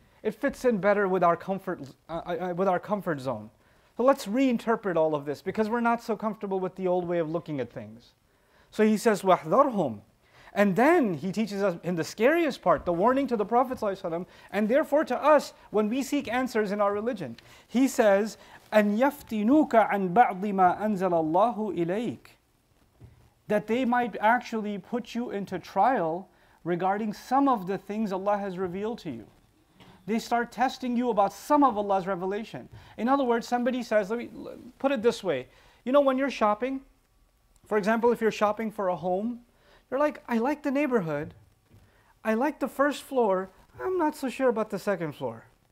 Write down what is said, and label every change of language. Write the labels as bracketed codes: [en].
[en] It fits in better with our comfort zone. So let's reinterpret all of this because we're not so comfortable with the old way of looking at things. So He says, wahdharhum. And then He teaches us in the scariest part, the warning to the Prophet ﷺ, and therefore to us when we seek answers in our religion. He says, [ar] "أَنْ يَفْتِنُوكَ عَنْ بَعْضِ مَا أَنزَلَ اللَّهُ إِلَيْكَ." [en] That they might actually put you into trial regarding some of the things Allah has revealed to you. They start testing you about some of Allah's revelation. In other words, somebody says, let me put it this way. You know, when you're shopping, for example, if you're shopping for a home, you're like, I like the neighborhood, I like the first floor, I'm not so sure about the second floor.